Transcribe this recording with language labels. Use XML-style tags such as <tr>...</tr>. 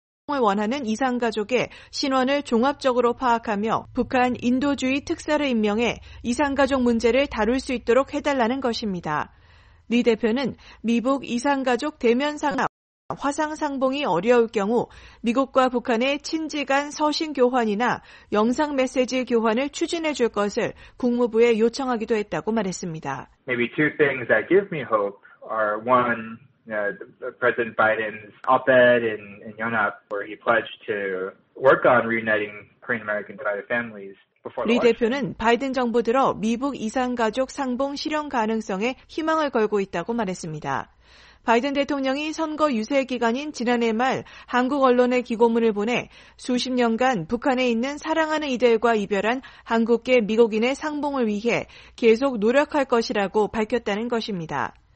<ko>원하는 이산가족의 신원을 종합적으로 파악하며 북한 인도주의 특사를 임명해 이산가족 문제를 다룰 수 있도록 해달라는 것입니다. 리 대표는 미북 이산가족 대면 상황 화상 상봉이 어려울 경우 미국과 북한의 친지 간 서신 교환이나 영상 메시지 교환을 추진해 줄 것을 국무부에 요청하기도 했다고 말했습니다.</ko> <en>Maybe two things that give me hope are one, President Biden's op-ed in Yonhap, where he pledged to work on reuniting Korean American divided families before the</en> <ko>리 대표는 바이든 정부 들어 미북 이산가족 상봉 실현 가능성에 희망을 걸고 있다고 말했습니다. 바이든 대통령이 선거 유세 기간인 지난해 말 한국 언론에 기고문을 보내 수십 년간 북한에 있는 사랑하는 이들과 이별한 한국계 미국인의 상봉을 위해 계속 노력할 것이라고 밝혔다는 것입니다.</ko>